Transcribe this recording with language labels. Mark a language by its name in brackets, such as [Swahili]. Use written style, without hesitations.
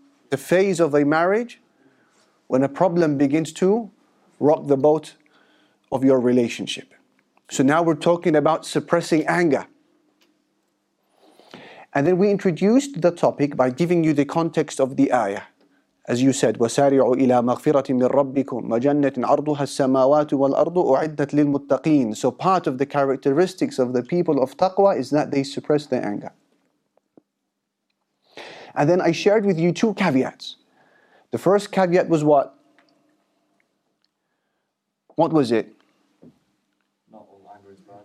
[English] The phase of a marriage, when a problem begins to rock the boat of your relationship. So now we're talking about suppressing anger. And then we introduced the topic by giving you the context of the ayah. As you said, [Arabic] وَسَارِعُوا إِلَىٰ مَغْفِرَةٍ مِّن رَبِّكُمْ مَجَنَّةٍ عَرْضُهَا السَّمَاوَاتُ وَالْأَرْضُ أُعِدَّتْ لِلْمُتَّقِينَ. [English] So part of the characteristics of the people of taqwa is that they suppress their anger. And then I shared with you two caveats. The first caveat was what? What was it? Not all anger is bad.